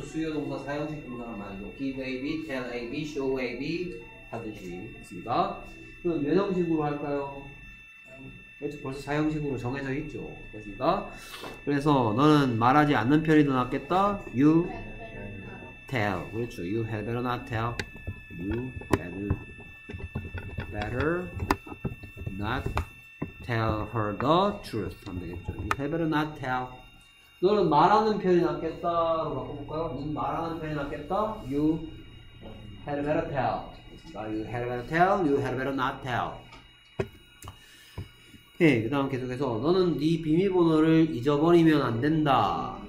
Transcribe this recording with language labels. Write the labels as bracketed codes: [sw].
[ko] 수요동사, 사용식 동사란 말이죠. [en] Give AB, Tell AB, Show AB [ko] 하듯이 있습니다. 그럼 몇 형식으로 할까요? 그렇죠. 벌써 사용식으로 정해져 있죠. 됐습니까? 그래서 너는 말하지 않는 편이 더 낫겠다. [en] You tell. 그렇죠. You had better not tell. You had better not tell her the truth. [ko] 하면 되겠죠. [en] You had better not tell. [ko] 너는 말하는 편이 낫겠다로 바꿔볼까요? 너는 말하는 편이 낫겠다? [en] You had better tell. You had better tell. You had better not tell. [ko] 오케이, 그 다음 계속해서 너는 네 비밀번호를 잊어버리면 안 된다.